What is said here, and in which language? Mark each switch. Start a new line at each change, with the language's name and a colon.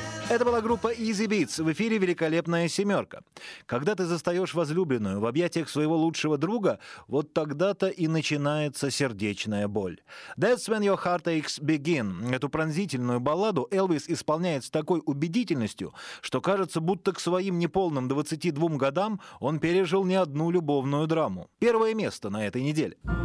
Russian: Это была группа Easy Beats. В эфире «Великолепная семерка». Когда ты застаешь возлюбленную в объятиях своего лучшего друга, вот тогда-то и начинается сердечная боль.
English: That's when your heartaches begin.
Russian: Эту пронзительную балладу Элвис исполняет с такой убедительностью, что кажется, будто к своим неполным 22 годам он пережил не одну любовную драму. Первое место на этой неделе.